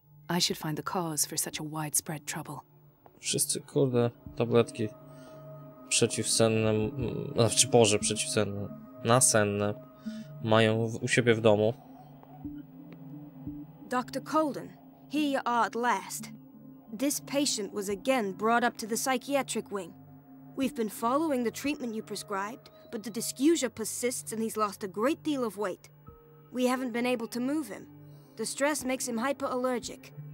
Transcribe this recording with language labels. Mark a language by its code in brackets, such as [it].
[en] I should find the cause for such a widespread trouble. [pl] Wszyscy, kurde, tabletki przeciwsenne, znaczy Boże, przeciwsenne, nasenne, mają u siebie w domu. [en] Dr. Colden. Here you are at last. This patient was again brought up to the psychiatric wing. We've been following the treatment you prescribed, but the dysgeusia persists and he's lost a great deal of weight. We haven't been able to move him. The stress makes him hyperallergic.